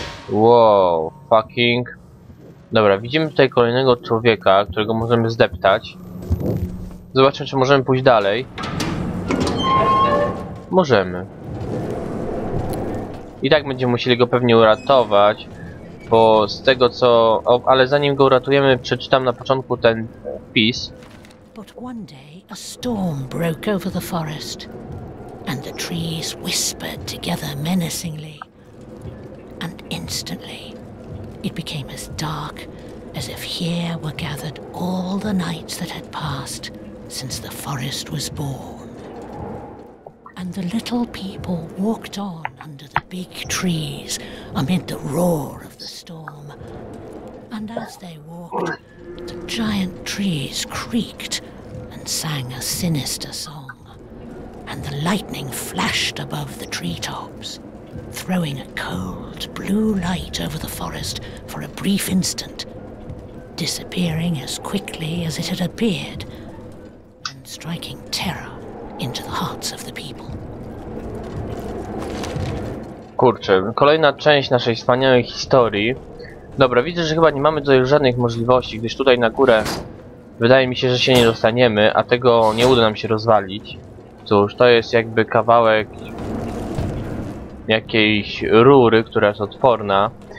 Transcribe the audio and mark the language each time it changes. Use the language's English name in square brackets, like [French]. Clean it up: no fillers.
[English] Wow, fucking... [Polish] Dobra, widzimy tutaj kolejnego człowieka, którego możemy zdeptać. Zobaczmy, czy możemy pójść dalej. Możemy. I tak będziemy musieli go pewnie uratować, bo z tego co... O, ale zanim go uratujemy, przeczytam na początku ten wpis. [English] But one day a storm broke over the forest, and the trees whispered together menacingly. And instantly, it became as dark as if here were gathered all the nights that had passed since the forest was born. And the little people walked on under the big trees amid the roar of the storm. And as they walked, the giant trees creaked and sang a sinister song. And the lightning flashed above the treetops, throwing a cold blue light over the forest for a brief instant, disappearing as quickly as it had appeared, and striking terror into the hearts of the people. [Polish] Kurczę, kolejna część naszej wspaniałej historii. Dobra, widzę, że chyba nie mamy tutaj już żadnych możliwości, gdyż tutaj na górę wydaje mi się, że się nie dostaniemy, a tego nie uda nam się rozwalić. Cóż, to jest jakby kawałek jakiejś rury, która jest odporna.